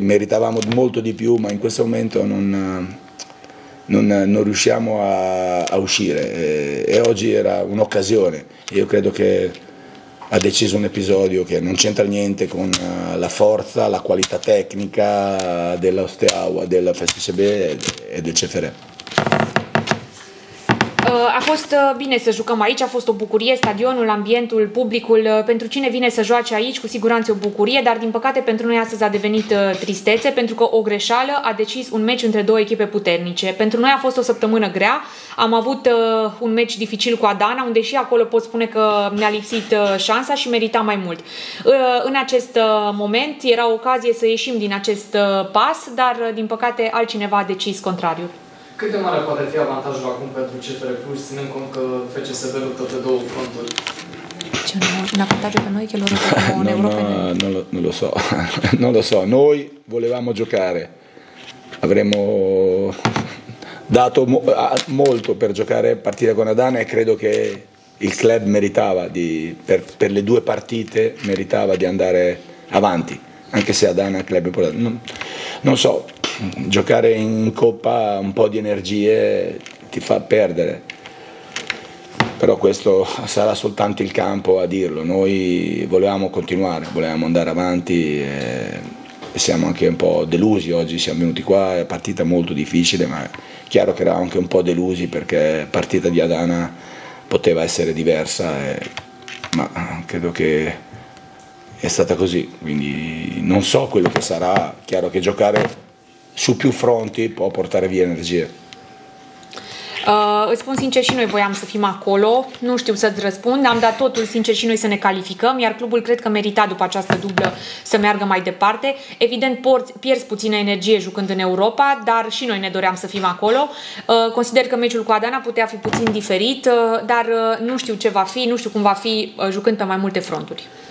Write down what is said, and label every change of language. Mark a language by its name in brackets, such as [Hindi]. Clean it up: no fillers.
[Italian] Meritavamo molto di più, ma in questo momento non riusciamo a uscire, e oggi era un'occasione. Io credo che ha deciso un episodio che non c'entra niente con la forza, la qualità tecnica dello Steaua, del FCSB e del CFR. [Romanian] A fost bine să jucăm aici, a fost o bucurie, stadionul, ambientul, publicul, pentru cine vine să joace aici, cu siguranță o bucurie, dar din păcate pentru noi astăzi a devenit tristețe, pentru că o greșeală a decis un meci între două echipe puternice. Pentru noi a fost o săptămână grea, am avut un meci dificil cu Adana, unde și acolo pot spune că ne-a lipsit șansa și merita mai mult. În acest moment era o ocazie să ieșim din acest pas, dar din păcate altcineva a decis contrariu. Cât de mare poate fi avantajul acum pentru CFR Cluj, ținând cont că FCSB luptă pe două fronturi? Ce un avantaj pe noi, că lor în [Italian] Nu lo so. Noi volevamo giocare. Avremmo dato molto per giocare partita con Adana, e credo che il club meritava per le due partite meritava di andare avanti, anche se Adana è un club importante. Non so. Giocare in Coppa un po' di energie ti fa perdere, però questo sarà soltanto il campo a dirlo. Noi volevamo continuare, volevamo andare avanti, e siamo anche un po' delusi oggi, siamo venuti qua, è partita molto difficile, ma è chiaro che eravamo anche un po' delusi, perché partita di Adana poteva essere diversa, ma credo che è stata così, quindi non so quello che sarà. Chiaro che giocare su più fronti può portare via energie. [Romanian] Îți spun sincer, și noi voiam să fim acolo, nu știu să-ți răspund, am dat totul sincer și noi să ne calificăm, iar clubul cred că merita după această dublă să meargă mai departe. Evident, pierzi puțină energie jucând în Europa, dar și noi ne doream să fim acolo. Consider că meciul cu Adana putea fi puțin diferit, dar nu știu ce va fi, nu știu cum va fi jucând pe mai multe fronturi.